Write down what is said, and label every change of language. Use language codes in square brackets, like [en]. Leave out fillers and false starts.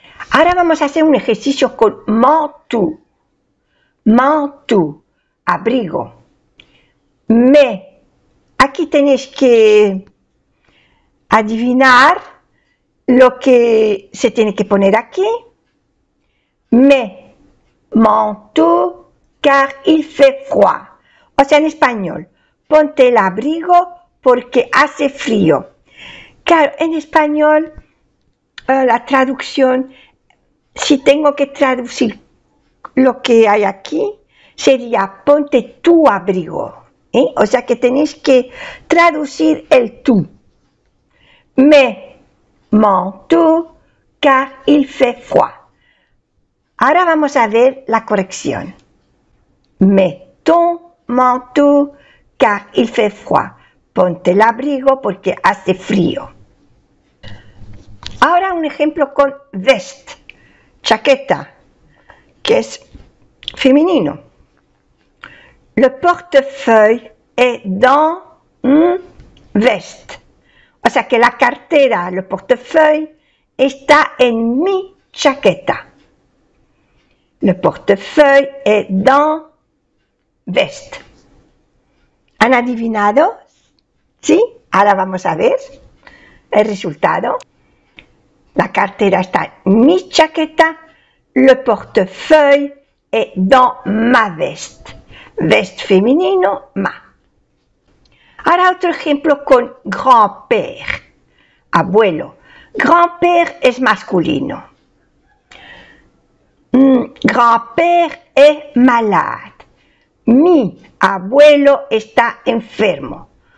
[es] Ahora vamos a hacer un ejercicio con manteau. Manteau, abrigo. Mais, aquí tenéis que adivinar lo que se tiene que poner aquí. [fr] Mais, manteau, car il fait froid. [es] O sea, en español, ponte el abrigo. Porque hace frío. Claro, en español, la traducción, si tengo que traducir lo que hay aquí, sería ponte tu abrigo. ¿Eh? O sea que tenéis que traducir el tú. [fr] Mets manteau, car il fait froid. [es] Ahora vamos a ver la corrección. [fr] Mets ton manteau, car il fait froid. [es] Ponte el abrigo porque hace frío. Ahora un ejemplo con veste, chaqueta, que es femenino. [fr] Le portefeuille est dans une veste. [es] O sea que la cartera, le portefeuille, está en mi chaqueta. [fr] Le portefeuille est dans veste. [es] ¿Han adivinado? Sí, ahora vamos a ver el resultado. La cartera está en mi chaqueta. [fr] Le portefeuille est dans ma veste. [es] Veste femenino, ma. Ahora otro ejemplo con grand-père. Abuelo. Grand-père es masculino. [fr] Grand-père est malade. [es] Mi abuelo está enfermo.